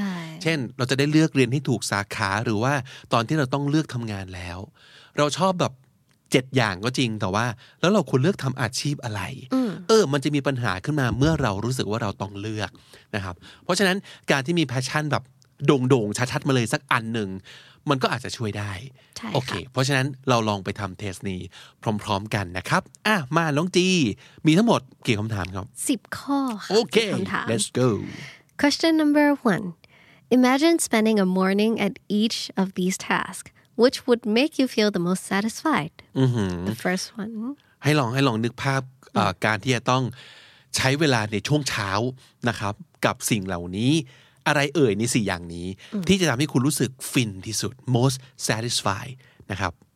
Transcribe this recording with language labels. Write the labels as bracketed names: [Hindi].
[Thai] เช่นเราจะได้เลือกเรียนให้ถูกสาขาหรือว่าตอนที่เราต้องเลือกทำงานแล้วเราชอบแบบ7อย่างก็จริงแต่ว่าแล้วเราควรเลือกทำอาชีพอะไรมันจะมีปัญหาขึ้นมาเมื่อเรารู้สึกว่าเราต้องเลือกนะครับเพราะฉะนั้นการที่มีแพชชั่นแบบโด่งๆชัดๆมาเลยสักอันหนึ่งมันก็อาจจะช่วยได้ โอเคเพราะฉะนั้นเราลองไปทำเทสนี้พร้อมๆกันนะครับอ่ะมาน้องจีมีทั้งหมดกี่คำถามครับ 10ข้อค่ะ [English] โอเค let's go question number 1 imagine spending a morning at each of these tasks which would make you feel the most satisfied the first one [Thai] ให้ลองนึกภาพการที่จะต้องใช้เวลาในช่วงเช้านะครับกับสิ่งเหล่านี้อะไรเอ่ยใน4อย่างนี้ที่จะทำให้คุณรู้สึกฟินที่สุด [English] most satisfied [Thai] นะครับ